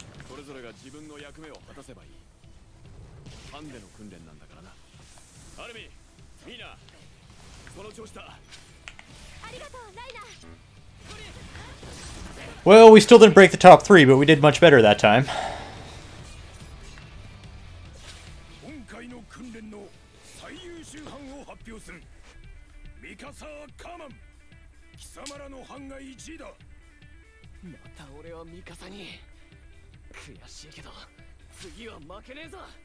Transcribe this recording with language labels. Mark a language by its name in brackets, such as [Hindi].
[Japanese] それぞれが自分の役目を果たせばいい。ハンデの訓練なんだからな。アルミ、ミーナ、この調子だ。ありがとう、ライナー。 [English] Well, we still didn't break the top three, but we did much better that time. [Japanese] 今回の訓練の最優秀班を発表する。ミカサー・カマン、貴様らの班が1位だ。また俺はミカサに。悔しいけど、次は負けねえぞ。